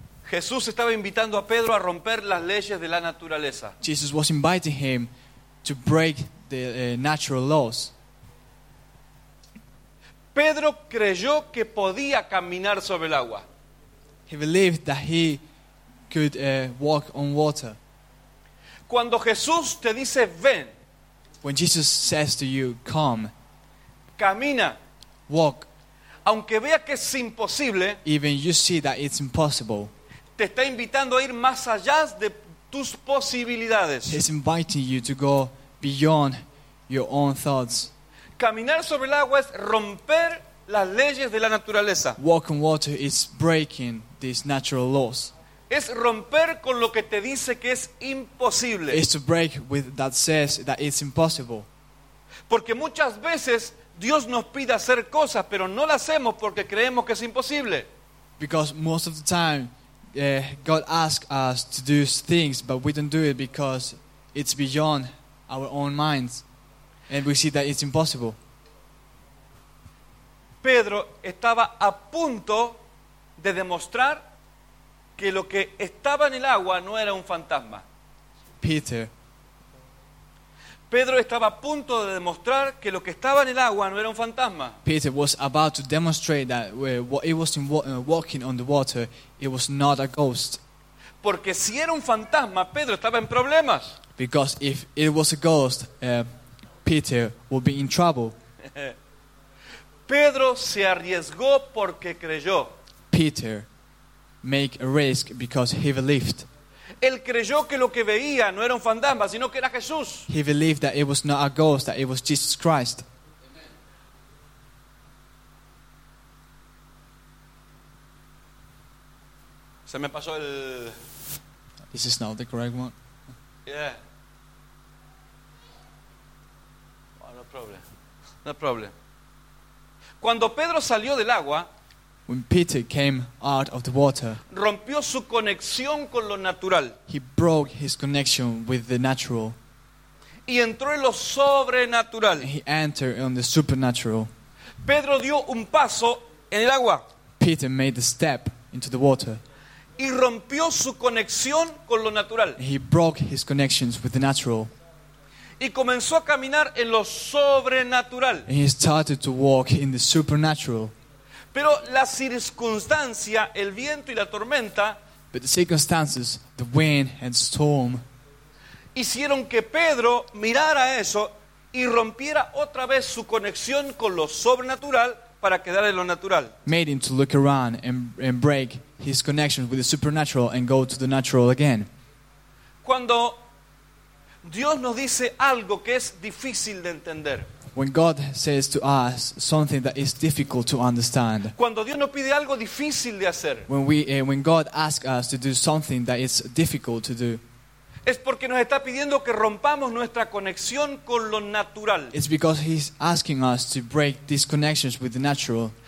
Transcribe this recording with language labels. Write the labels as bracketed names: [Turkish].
[Spanish] Jesús estaba invitando a Pedro a romper las leyes de la naturaleza. [English] Jesus was inviting him to break the natural laws. [Spanish] Pedro creyó que podía caminar sobre el agua. [English] He believed that he could walk on water. [Spanish] Cuando Jesús te dice ven, [English] when Jesus says to you come, [Spanish] camina, [English] walk, [Spanish] aunque vea que es imposible, [English] even you see that it's impossible, [Spanish] te está invitando a ir más allá de tus posibilidades. [English] He's inviting you to go beyond your own thoughts. [Spanish] Caminar sobre el agua es romper las leyes de la naturaleza. [English] Walk on water is breaking these natural laws. [Spanish] Es romper con lo que te dice que es imposible. [English] It's to break with that says that it's impossible. [Spanish] Porque muchas veces Dios nos pide hacer cosas, pero no las hacemos porque creemos que es imposible. [English] Because most of the time, God asks us to do things, but we don't do it because it's beyond our own minds, and we see that it's impossible. [Spanish] Pedro estaba a punto de demostrar que lo que estaba en el agua no era un fantasma. Pedro estaba a punto de demostrar que lo que estaba en el agua no era un fantasma. [English] Peter was about to demonstrate that what he was walking on the water, it was not a ghost. [Spanish] Porque si era un fantasma, Pedro estaba en problemas. [English] Because if it was a ghost, Peter would be in trouble. [Spanish] Pedro se arriesgó porque creyó. [English] Peter made a risk because he believed. [Spanish] Él creyó que lo que veía no era un fantasma, sino que era Jesús. [English] He believed that it was not a ghost, that it was Jesus Christ. [Spanish] Se me pasó el... [English] This is not the correct one. Yeah. Oh, no problem. No problem. [Spanish] Cuando Pedro salió del agua, [English] when Peter came out of the water, [Spanish] rompió su conexión con lo natural. [English] He broke his connection with the natural. [Spanish] Y entró en lo sobrenatural. [English] He entered on the supernatural. [Spanish] Pedro dio un paso en el agua. [English] Peter made a step into the water. [Spanish] Y rompió su conexión con lo natural. [English] He broke his connections with the natural. [Spanish] Y comenzó a caminar en lo sobrenatural. [English] And he started to walk in the supernatural. [Spanish] Pero la circunstancia, el viento y la tormenta, [English] but the circumstances, the wind and storm, [Spanish] hicieron que Pedro mirara eso y rompiera otra vez su conexión con lo sobrenatural para quedar en lo natural. [English] Made him to look around and break his connection with the supernatural and go to the natural again. [Spanish] Cuando Dios nos dice algo que es difícil de entender, [English] when God says to us something that is difficult to understand, [Spanish] cuando Dios nos pide algo difícil de hacer, [English] when God asks us to do something that is difficult to do, [Spanish] es porque nos está pidiendo que rompamos nuestra conexión con lo natural. [English] It's because he's asking us to break these connections with the natural,